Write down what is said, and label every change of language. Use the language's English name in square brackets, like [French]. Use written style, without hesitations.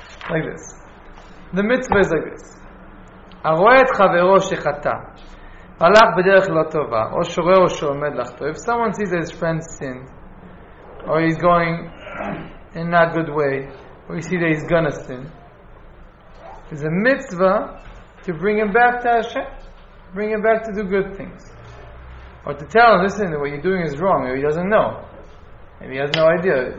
[English] Like this. The mitzvah is like this. [Hebrew] הרואה את חברו שחטא, הלך בדרך לא טובה, או שורה או שעומד לחטוא. [English] If someone sees his friend sin, or he's going in not good way, or you see that he's gonna sin, there's a mitzvah to bring him back to Hashem, bring him back to do good things. Or to tell him, listen, what you're doing is wrong, or he doesn't know. And he has no idea.